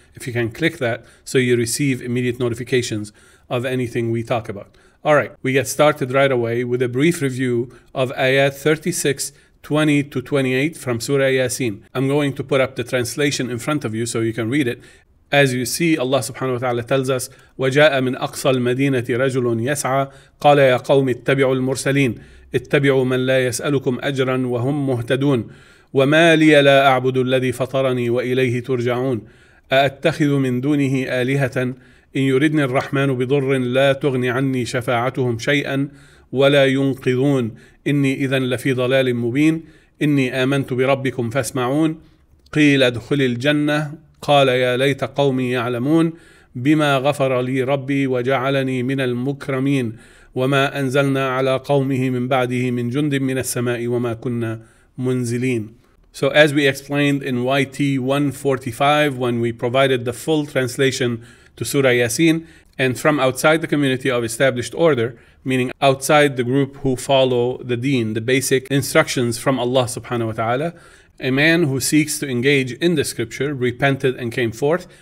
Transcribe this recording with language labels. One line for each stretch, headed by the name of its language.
English: If you can click that, so you receive immediate notifications of anything we talk about. All right, we get started right away with a brief review of Ayat 36, 20 to 28 from Surah Yasin. I'm going to put up the translation in front of you so you can read it. As you see, Allah subhanahu wa ta'ala tells us,
Arabic: وَجَاءَ مِنْ أَقْصَى الْمَدِينَةِ رَجُلٌ يَسْعَى قَالَ يَا قَوْمِ اتَّبِعُوا الْمُرْسَلِينَ اتَّبِعُوا مَنْ لَا يَسْأَلُكُمْ أَجْرًا وَهُمْ مُهْتَدُونَ وَمَا لِيَ لَا أَعْبُدُ الَّذِي فَطَرَنِي وَإِلَيْهِ تُرْجَعُونَ أَأَتَّخِذُ مِنْ دُونِهِ آلِهَةً إِنْ يُرِدْنِ الرَّحْمَنُ بِضُرٍّ لَا تُغْنِ عَنِّي شَفَاعَتُهُمْ شَيْئًا وَلَا يُنْقِذُونَ إِنِّي إِذًا لَفِي ضَلَالٍ مُبِينٍ إِنِّي آمَنْتُ بِرَبِّكُمْ فَاسْمَعُونَ قِيلَ ادْخُلِ الْجَنَّةَ قال يا ليت قومي يعلمون بما غفر لي ربي وجعلني من المكرمين وما أنزلنا على قومه من بعده من جند من السماء وما كنا منزلين.
English: So as we explained in YT145, when we provided the full translation to Surah Yasseen, and from outside the community of established order, meaning outside the group who follow the deen, the basic instructions from Allah subhanahu wa ta'ala, a man who seeks to engage in the scripture repented and came forth.